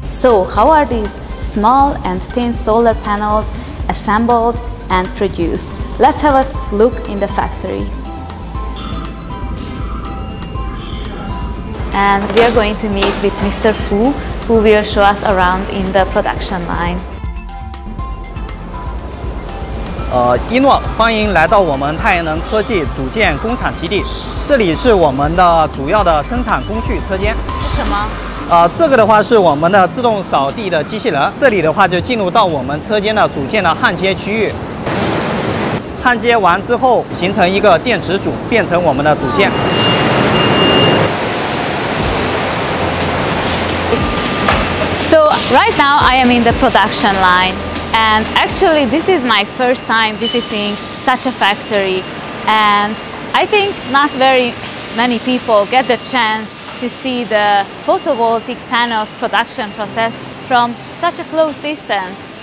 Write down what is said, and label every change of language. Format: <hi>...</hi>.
<en>So, how are these small and thin solar panels assembled and produced? Let's have a look in the factory. And we are going to meet with Mr. Fu, who will show us around in the production line.</en> <zh>一诺，欢迎来到我们太阳能科技组件工厂基地。这里是我们的主要的生产工序车间。是什么？这个的话是我们的自动扫地的机器人。这里的话就进入到我们车间的组件的焊接区域。焊接完之后，形成一个电池组，变成我们的组件。</zh> <en>So right now I am in the production line. And actually, this is my first time visiting such a factory. And I think not very many people get the chance to see the photovoltaic panels production process from such a close distance.</en>